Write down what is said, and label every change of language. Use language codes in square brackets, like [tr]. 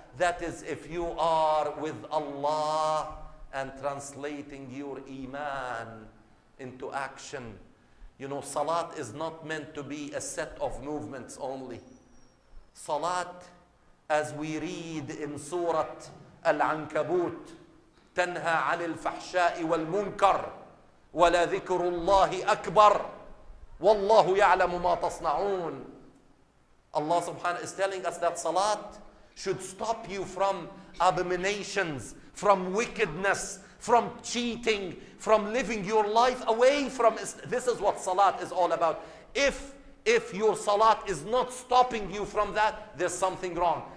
[en] That is if you are with Allah and translating your iman into action. You know, salat is not meant to be a set of movements only. Salat, as we read in Surah Al-Ankabut, [ar] تَنْهَى عَنِ الْفَحْشَاءِ وَالْمُنْكَرِ وَلَا ذِكْرُ اللَّهِ أَكْبَرِ وَاللَّهُ يَعْلَمُ مَا تَصْنَعُونَ. [en] Allah subhanahu is telling us that salat should stop you from abominations, from wickedness, from cheating, from living your life away from this is what salat is all about. If your salat is not stopping you from that, there's something wrong.